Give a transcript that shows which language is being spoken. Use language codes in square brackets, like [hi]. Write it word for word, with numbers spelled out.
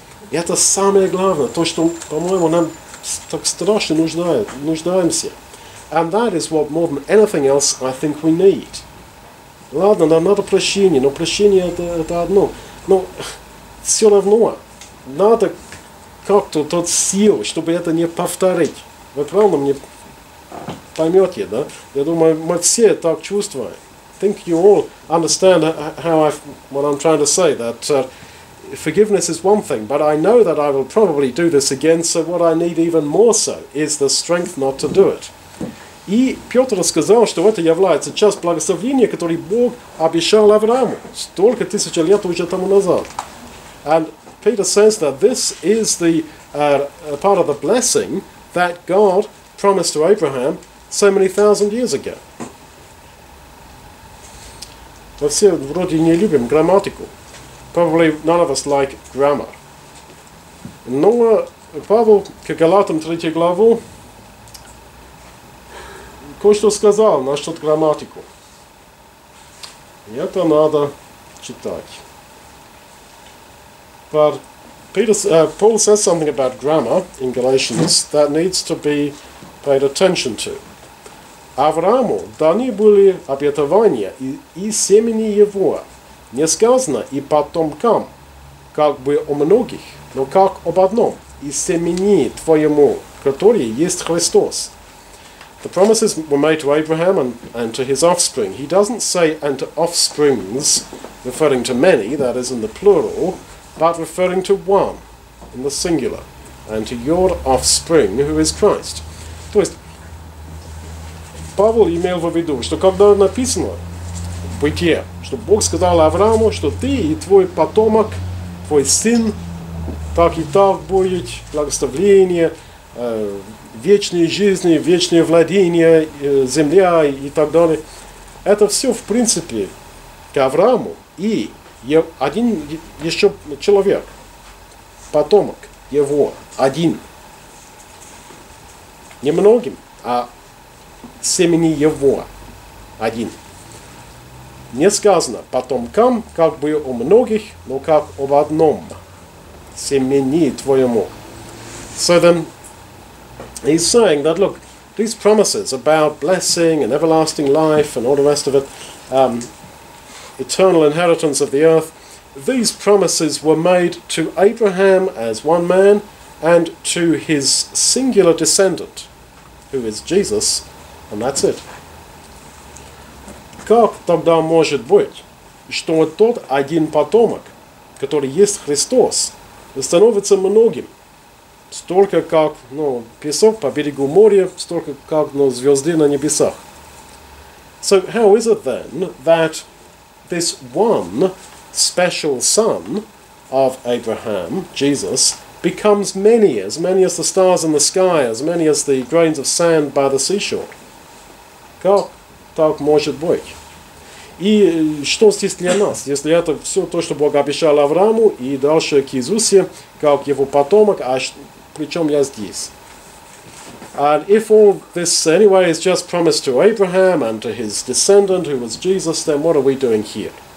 [ru] И это самое главное, то, что, по-моему, нам так страшно нуждает, нуждаемся. [en] And that is what more than anything else I think we need. [ru] Ладно, нам надо прощение, но прощение это, это одно. Но все равно надо как-то тот сил, чтобы это не повторить. Вы правильно мне поймете, да? Я думаю, мы все так чувствуем. [en] I think you all understand how I, what I'm trying to say, that uh, forgiveness is one thing, but I know that I will probably do this again, so what I need even more so is the strength not to do it. [ru] И Петр сказал, что это является часть благословения, которое Бог обещал Аврааму столько тысячи лет уже тому назад. [en] And Peter says that this is the uh, part of the blessing that God promised to Abraham so many thousand years ago. [ru] Мы все вроде не любим грамматику. [en] Probably none of us like grammar. [ru] Но Павел к Галатам третью главу кое-что сказал насчет грамматику. И это надо читать. [en] But Peter, uh, Paul says something about grammar in Galatians that needs to be paid attention to. [ru] Аврааму даны были обетования и, и семени его. Не сказано и потомкам, как бы о многих, но как об одном, и семени твоему, который есть Христос. [en] The promises were made to Abraham and, and to his offspring. He doesn't say, and to offsprings, referring to many, that is in the plural, but referring to one, in the singular, and to your offspring, who is Christ. [ru] То есть, Павел имел в виду, что когда написано в Бытие, что Бог сказал Аврааму, что ты и твой потомок, твой сын так и так будет благословление, э, вечные жизни, вечное владение, э, земля и так далее. Это все, в принципе, к Аврааму и один еще человек, потомок его, один. Немногим, а семени его, один. Не сказано потомкам, как бы о многих, но как об одном семени твоему. [en] So then, he's saying that, look, these promises about blessing and everlasting life and all the rest of it, um, eternal inheritance of the earth, these promises were made to Abraham as one man and to his singular descendant, who is Jesus, and that's it. [ru] Как тогда может быть, что тот один потомок, который есть Христос, становится многим, столько как, ну, песок по берегу моря, столько как, ну, звезды на небесах? [en] So how is it then that this one special son of Abraham, Jesus, becomes many, as many as the stars in the sky, as many as the grains of sand by the seashore? [ru] Как так может быть? И что здесь для нас, если это все то, что Бог обещал Аврааму и дальше к Иисусе, как его потомок, а при чем я здесь? [en] And if all this anyway is just promised to Abraham and to his descendant, who was Jesus, then what are we doing here?